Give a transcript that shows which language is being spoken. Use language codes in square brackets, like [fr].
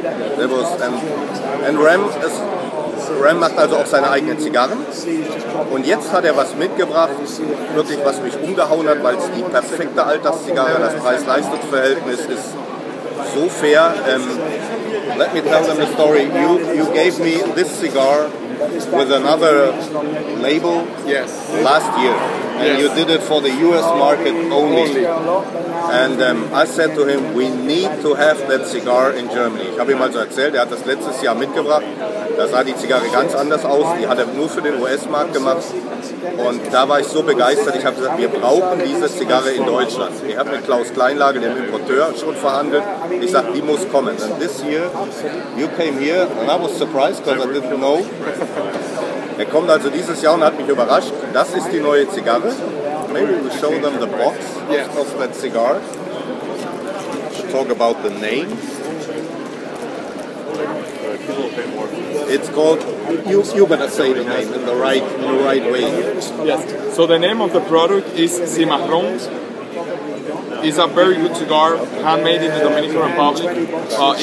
[en] That was, and Ram is... [de] Ram macht also auch seine eigenen Zigarren. Und jetzt hat er was mitgebracht, wirklich was mich umgehauen hat, weil es die perfekte Alterszigarre, das Preis-Leistungs-Verhältnis ist so fair. [en] Let me tell them a story. You gave me this cigar with another label last year. And you did it for the US market only. And I said to him, we need to have that cigar in Germany. [de] Ich habe ihm also erzählt, er hat das letztes Jahr mitgebracht. Da sah die Zigarre ganz anders aus. Die hat er nur für den US-Markt gemacht. Und da war ich so begeistert. Ich habe gesagt, wir brauchen diese Zigarre in Deutschland. Ich habe mit Klaus Kleinlage, dem Importeur, schon verhandelt. Ich sagte, die muss kommen. [en] And this year, you came here and I was surprised, because I didn't know. [de] Er kommt also dieses Jahr und hat mich überrascht. Das ist die neue Zigarre. [en] Maybe we'll show them the box of that cigar. Talk about the name. It's called, you better say the name in the right way. Yes, so the name of the product is Cimarron. It's a very good cigar, handmade in the Dominican Republic.